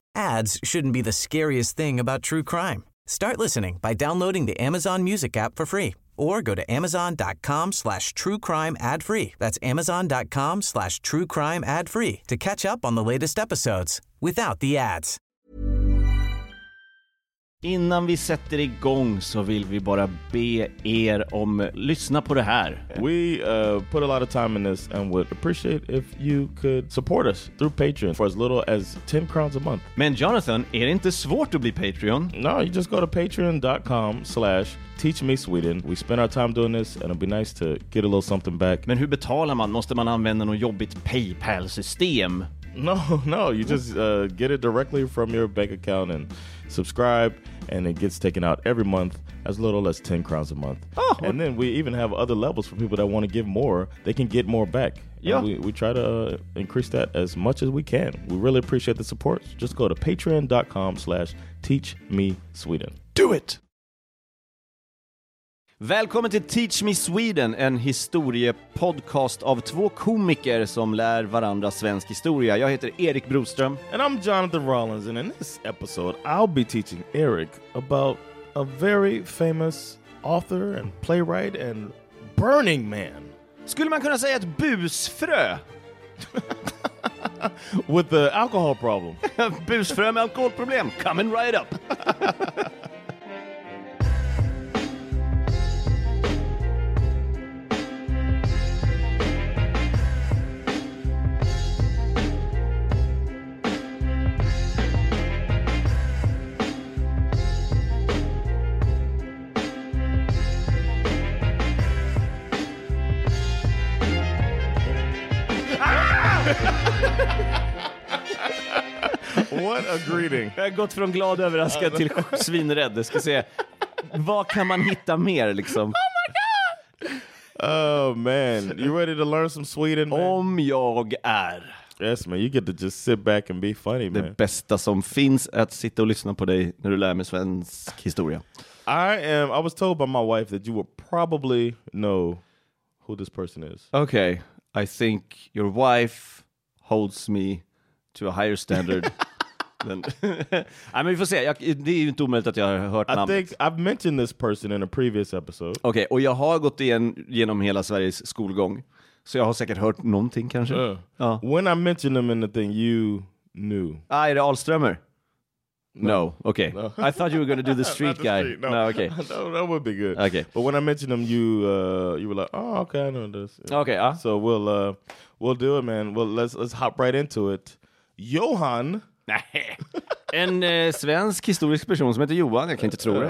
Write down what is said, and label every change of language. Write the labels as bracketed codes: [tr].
[en] Ads shouldn't be the scariest thing about true crime. Start listening by downloading the Amazon Music app for free or go to amazon.com/truecrimeadfree. That's amazon.com/truecrimeadfree to catch up on the latest episodes without the ads. [sv] Innan vi sätter igång så vill vi bara be er om lyssna på det här. [en] We put a lot of time in this and would appreciate if you could support us through Patreon for as little as 10 crowns a month. [sv] Men Jonathan, är det inte svårt att bli Patreon? [en] No, you just go to patreon.com/teachmesweden. We spend our time doing this and it'd be nice to get a little something back. [sv] Men hur betalar man? Måste man använda något jobbigt PayPal-system? [en] No, you just get it directly from your bank account and subscribe, and it gets taken out every month as little as 10 crowns a month. Oh, and then we even have other levels for people that want to give more. They can get more back. Yeah. We try to increase that as much as we can. We really appreciate the support. Just go to patreon.com/teachmesweden. Do it! [sv] Välkommen till Teach Me Sweden, en historiepodcast av två komiker som lär varandra svensk historia. Jag heter Erik Broström. [en] And I'm Jonathan Rollins, and in this episode I'll be teaching Eric about a very famous author and playwright and burning man. [sv] Skulle man kunna säga ett busfrö? [en] With the alcohol problem. [sv] Busfrö med alkoholproblem, [en] coming right up. What a greeting. [sv] Jag har gått från glad överraskad till svinrädd. Jag ska se, vad kan man hitta mer liksom? [en] Oh my god. Oh man, you ready to learn some Sweden, man? [sv] Om jag är. [en] Yes man, you get to just sit back and be funny, man. [sv] Det bästa som finns är att sitta och lyssna på dig när du lär mig svensk historia. [en] I was told by my wife that you would probably know who this person is. Okay, I think your wife holds me to a higher standard. I mean, [sv] vi får se. Det är ju inte omöjligt att jag har hört namnet. [en] I think I've mentioned this person in a previous episode. [sv] Okay, och jag har gått igenom hela Sveriges skolgång. Så jag har säkert hört någonting kanske. [en] When I mentioned him in the thing, you knew. [sv] Ah, är det Alströmer? No. Okay. [en] No. I thought you were going to do the street the guy. Street, no. No, okay. No, that would be good. Okay. But when I mentioned him, you were like, "Oh, okay, I know this." Yeah. Okay. So we'll do it, man. Well, let's hop right into it. Johan. [sv] En svensk historisk person som heter Johan, jag kan inte tro det.